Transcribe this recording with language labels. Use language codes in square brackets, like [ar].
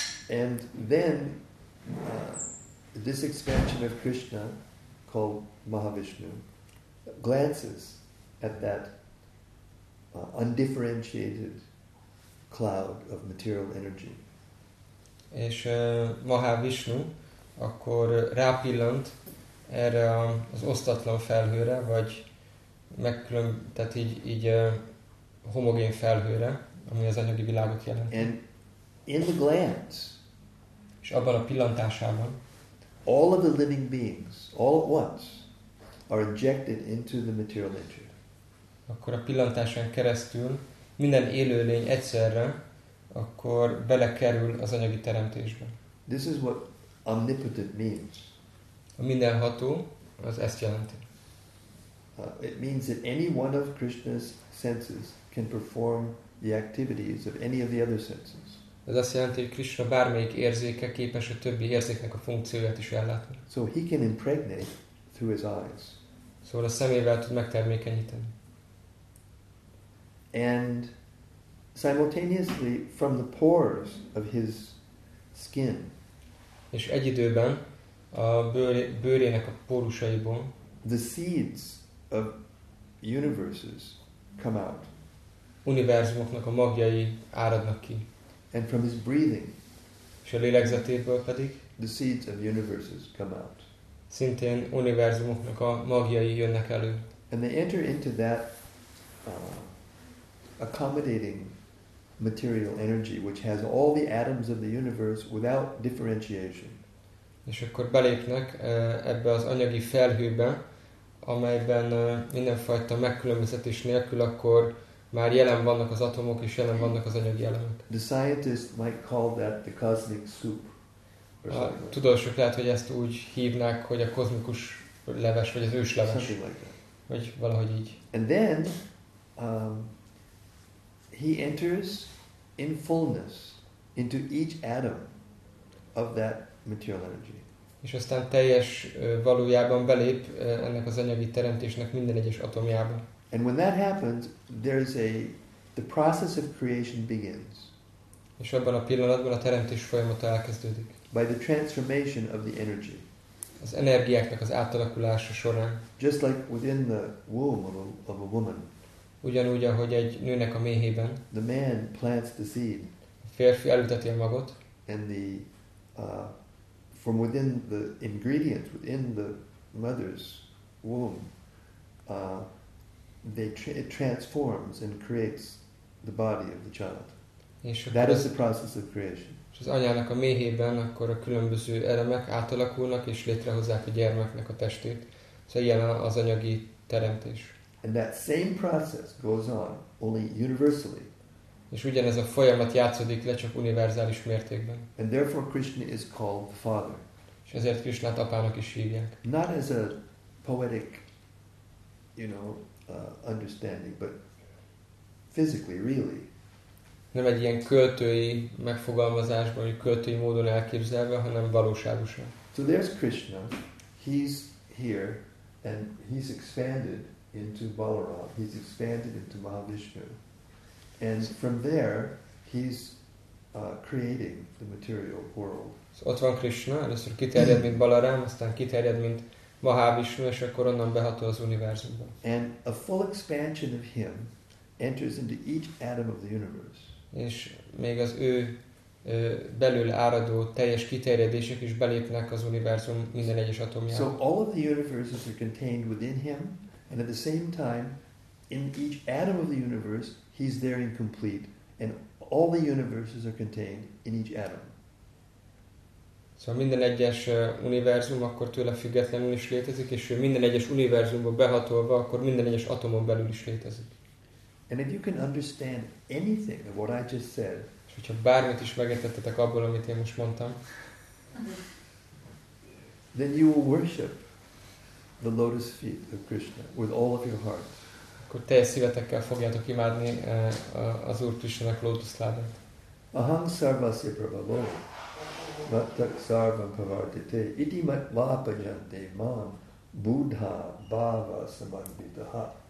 [en] And then this expansion of Krishna, called Mahavishnu, glances at that undifferentiated cloud of material energy. [hu] És Mahavishnu akkor rápillant erre az osztatlan felhőre, vagy tehát így homogén felhőre, ami az anyagi világot jelent. [en] And in the glance, [hu] és abban a pillantásában, [en] all of the living beings, all at once, are injected into the material energy. [hu] Akkor a pillantáson keresztül minden élőlény egyszerre akkor belekerül az anyagi teremtésbe. [en] This is what omnipotent means. [hu] A mindenható az ezt jelenti. [en] It means that any one of Krishna's senses can perform the activities of any of the other senses. [hu] Ez azt jelenti, hogy Krishna bármelyik érzéke képes a többi érzéknek a funkcióját is ellátni. [en] So he can impregnate through his eyes. [hu] Szóval a szemével tud megtermékenyíteni. [en] And simultaneously from the pores of his skin. [hu] És egy időben a bőrének a pórusaiból [en] the seeds of universes come out. [hu] Univerzumoknak a magjai áradnak ki. [en] And from his breathing. [hu] És a lélegzetéből pedig [en] the seeds of universes come out. [hu] Szintén univerzumoknak a magjai jönnek elő. [en] And they enter into that accommodating material energy which has all the atoms of the universe without differentiation. [hu] És akkor beléknek ebbe az anyagi felhőbe, amelyben mindenfajta megkülönböztetés nélkül akkor már jelen vannak az atomok és jelen vannak az anyagi elemek. [en] The scientist might call that the cosmic soup. [hu] A tudósok lehet, hogy ezt úgy hívnák, hogy a kozmikus leves vagy az ősleves. [en] Something like that. [hu] Vagy valahogy így. [en] And then he enters in fullness into each atom of that material energy. [hu] És aztán teljes valójában belép ennek az anyagi teremtésnek minden egyes atomjába. [en] And when that happens, there's the process of creation begins. [hu] És abban a pillanatban a teremtés folyamata elkezdődik. [en] By the transformation of the energy. [hu] Az energiáknak az átalakulása során. [en] Just like within the womb of a woman. [hu] Ugyanúgy, ahogy egy nőnek a méhében. [en] The man plants the seed. [hu] A férfi elülteti a magot. [en] And the from within the ingredients within the mother's womb it transforms and creates the body of the child. That is the process of creation. [hu] És az anyának a méhében akkor a különböző elemek átalakulnak és létrehozzák a gyermeknek a testét. Szóval ilyen az anyagi teremtés. [en] And that same process goes on only universally. [hu] És ugyanez a folyamat játszódik le csak univerzális mértékben. [en] And therefore Krishna is called the Father. [hu] És ezért Krishnát apának is hívják. [en] Not as a poetic, you know, understanding, but physically, really. [hu] Nem egy ilyen költői megfogalmazásban, vagy költői módon elképzelve, hanem valóságosan. [en] So there's Krishna. He's here, and he's expanded into Balaram. He's expanded into Mahavishnu. And from there, he's creating the material world. [hu] So ott van Krishna, először kiterjed, mint Balaram, aztán kiterjed, mint Mahavishnu, és akkor onnan behatol az univerzumba. [en] And a full expansion of him enters into each atom of the universe. [hu] És még az ő belül áradó teljes kiterjedések is belépnek az univerzum minden egyes atomjába. [en] So all of the universes are contained within him, and at the same time, in each atom of the universe, he's there in complete, and all the universes are contained in each atom. [hu] Szóval minden egyes univerzum akkor tőle függetlenül is létezik, és minden egyes univerzumba behatolva, akkor minden egyes atomon belül is létezik. [en] And if you can understand anything of what I just said, [hu] és hogyha bármit is megértettetek abból, amit én most mondtam, [en] then you will worship the lotus feet of Krishna with all of your heart. [hu] Akkor teljes szívetekkel fogjátok imádni az Úr Krishnának lótuszlábát. [sa] Aham sarvasya prabhavo. Vattak sarvam pavartite iti matva pajante mam buddha bhava samanvitaha.